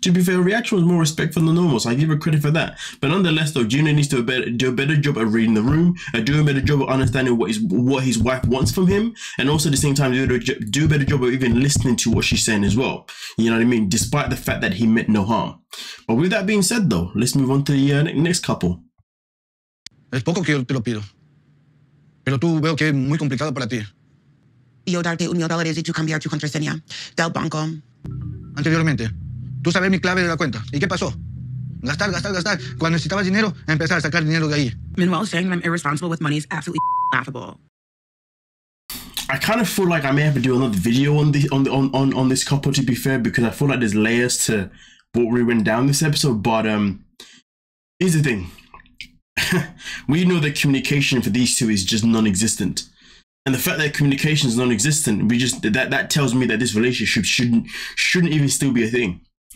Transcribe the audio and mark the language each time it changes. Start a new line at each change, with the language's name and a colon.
English: To be fair, her reaction was more respectful than normal, so I give her credit for that. But nonetheless, though, Gina needs to do a better job of reading the room, do a better job of understanding what his wife wants from him, and also at the same time, do a better job of even listening to what she's saying as well. You know what I mean? Despite the fact that he meant no harm. But with that being said, though, let's move on to the next couple.
Spanish: Es poco que yo te lo pido. Pero tú veo que es muy complicado para ti. Yo darte $1,000 y tú cambiar tu contraseña del banco. Anteriormente, tú sabes mi clave de la cuenta. ¿Y qué pasó? Gastar. Cuando necesitabas dinero, empezar a sacar dinero de ahí.
English: Meanwhile, saying I'm irresponsible with money is absolutely laughable. I kind of feel like I may have to do another video on this couple, to be fair, because I feel like there's layers to what we went down this episode. But here's the thing. We know that communication for these two is just non-existent, and the fact that communication is non-existent, we just that tells me that this relationship shouldn't even still be a thing.